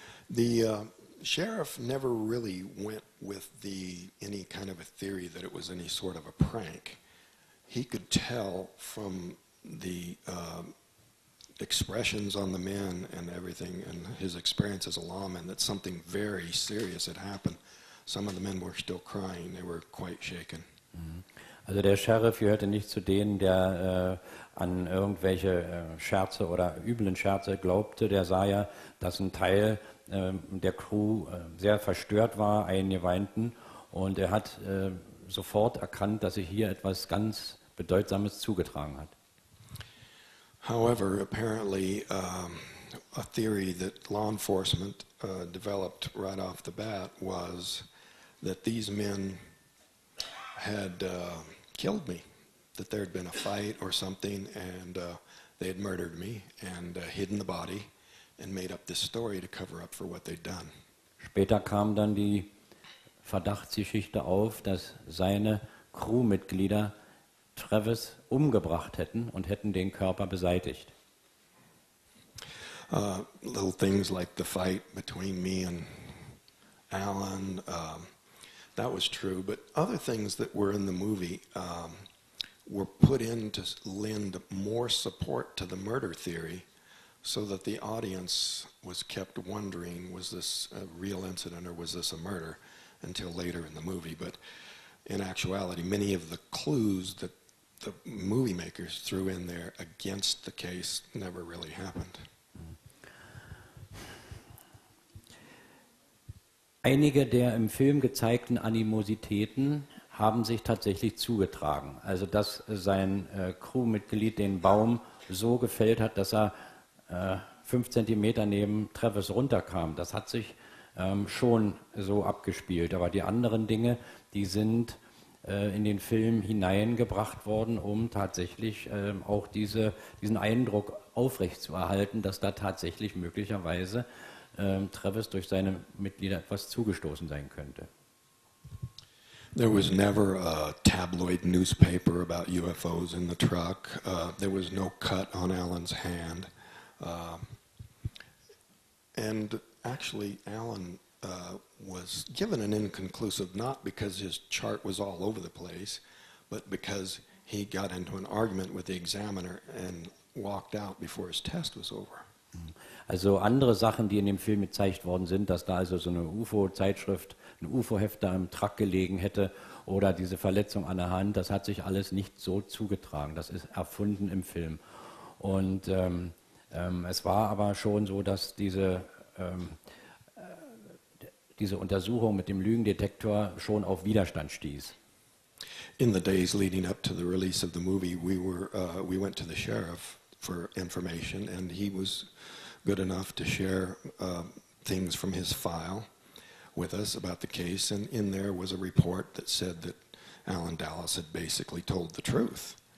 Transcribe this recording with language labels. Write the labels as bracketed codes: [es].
[en] The sheriff never really went with any kind of a theory that it was any sort of a prank. He could tell from the expressions on the men and everything and his experience as a lawman that something very serious had happened. Some of the men were still crying. They were quite shaken. [de] Also der Sheriff gehörte nicht zu denen, der an irgendwelche Scherze oder üblen Scherze glaubte. Der sah ja, dass ein Teil der Crew sehr verstört war, einige weinten, und er hat sofort erkannt, dass sich hier etwas ganz Bedeutsames zugetragen hat. [en] However, apparently a theory that law enforcement developed right off the bat was that these men had killed me, that there had been a fight or something, and they had murdered me and hidden the body and made up this story to cover up for what they'd done. [de] Später kam dann die Verdachtsgeschichte auf, dass seine Crewmitglieder Travis umgebracht hätten und hätten den Körper beseitigt. [en] Little things like the fight between me and Alan, that was true, but other things that were in the movie were put in to lend more support to the murder theory, so that the audience was kept wondering, was this a real incident or was this a murder, until later in the movie. But in actuality, many of the clues that the movie makers threw in there against the case never really happened. [de] Einige der im Film gezeigten Animositäten haben sich tatsächlich zugetragen. Also dass sein Crewmitglied den Baum so gefällt hat, dass er 5 Zentimeter neben Travis runterkam. Das hat sich schon so abgespielt. Aber die anderen Dinge, die sind in den Film hineingebracht worden, um tatsächlich auch diesen Eindruck aufrechtzuerhalten, dass da tatsächlich möglicherweise Travis durch seine Mitglieder etwas zugestoßen sein könnte. [en] There was never a tabloid newspaper about UFOs in the truck. There was no cut on Alan's hand. And actually, Alan was given an inconclusive, not because his chart was all over the place, but because he got into an argument with the examiner and walked out before his test was over. [de] Also andere Sachen, die in dem Film gezeigt worden sind, dass da also so eine UFO-Zeitschrift, ein UFO-Heft da im Truck gelegen hätte oder diese Verletzung an der Hand, das hat sich alles nicht so zugetragen. Das ist erfunden im Film. Und es war aber schon so, dass diese Untersuchung mit dem Lügendetektor schon auf Widerstand stieß. [en] In the days leading up to the release of the movie, we went to the sheriff for information and he was good enough to share things from his file with us about the case, and in there was a report that said that Alan Dallas had basically told the truth.